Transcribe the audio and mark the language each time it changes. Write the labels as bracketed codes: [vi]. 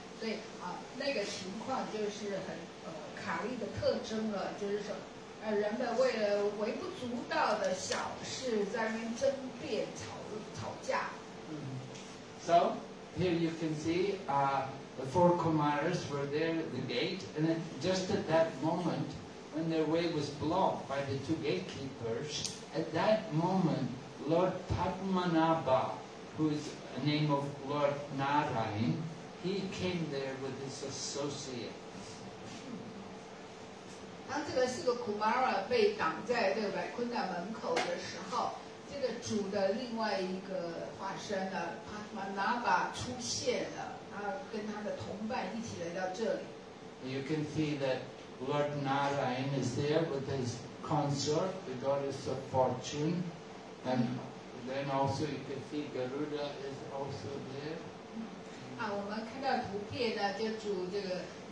[zh] 对，那个情况就是很卡利的特征了，就是说，人们为了微不足道的小事在那边争辩、吵架。 [en] So here you can see, the four Kumaras were there at the gate, and then just at that moment, when their way was blocked by the two gatekeepers, at that moment, Lord Padmanabha, who is a name of Lord Narayan, he came there with his associate. [zh] 当这个四个Kumara被挡在这个白昆达门口的时候，这个主的另外一个化身呢，Padmanabha出现了，他跟他的同伴一起来到这里。 [en] You can see that Lord Narayan is there with his consort, the goddess of fortune, and then also you can see Garuda is also there. [zh] 啊，我们看到图片呢，就主这个。